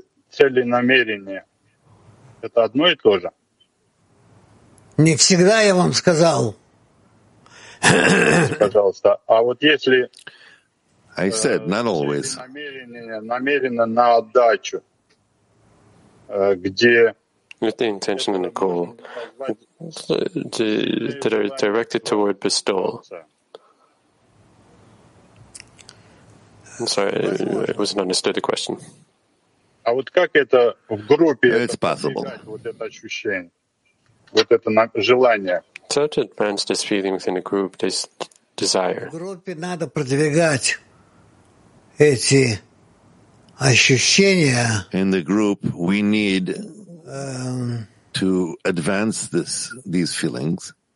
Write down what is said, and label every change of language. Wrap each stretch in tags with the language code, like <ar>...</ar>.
<ru>Цель и намерение — это одно и то же? Не всегда, я вам сказал. Пожалуйста. А вот если...</ru> <en>I said, not always.</en> <ru>Намеренно на отдачу, где...</ru> <en>With the intention and the goal that are directed toward bestowal. I'm sorry, it wasn't understood the question.</en> <ru>А вот как это в группе...</ru> <en>It's possible.</en> <ru>Вот это ощущение. Вот это желание.</ru> <en>So to advance this feeling within a group, this desire.</en> <ru>В группе надо продвигать эти ощущения.</ru> <en>In the group, we need to advance this, these feelings.</en>